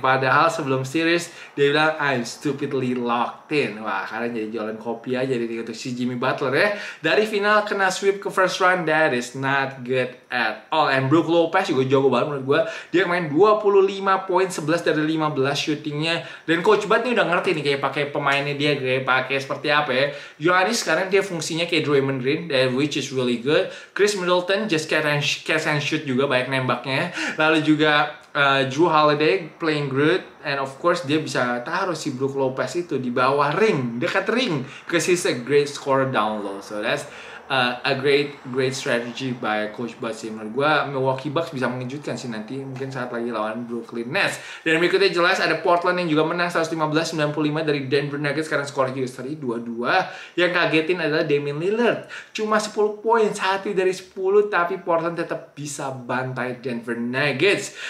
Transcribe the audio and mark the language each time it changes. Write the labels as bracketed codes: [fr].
[id] Padahal sebelum series dia bilang [en] I'm stupidly locked in. [id] Wah, karena jadi jualan kopi aja jadi untuk si Jimmy Butler ya. Dari final kena sweep ke first round, [en] that is not good at all. [id] And Brook Lopez juga jago banget menurut gue. Dia main 25 poin, 11 dari 15 shootingnya. Dan coach Bud nih udah ngerti nih kayak pakai pemainnya dia, kayak pakai seperti apa ya. Giannis sekarang dia fungsinya kayak Draymond Green, [en] which is really good. Chris Middleton just catch and shoot [id] juga, banyak nembaknya. Lalu juga Jrue Holiday [en] playing good, and of course [id] dia bisa taruh si Brook Lopez itu di bawah ring, dekat ring, [en] because he's a great scorer down low. So that's a great strategy by Coach Bud sih. [id] Menurut gue Milwaukee Bucks bisa mengejutkan sih nanti, mungkin saat lagi lawan Brooklyn Nets. Dan berikutnya jelas ada Portland yang juga menang 115-95 dari Denver Nuggets. Sekarang skor juga seri 2-2. Yang kagetin adalah Damian Lillard, cuma 10 poin, 1 dari 10, tapi Portland tetap bisa bantai Denver Nuggets.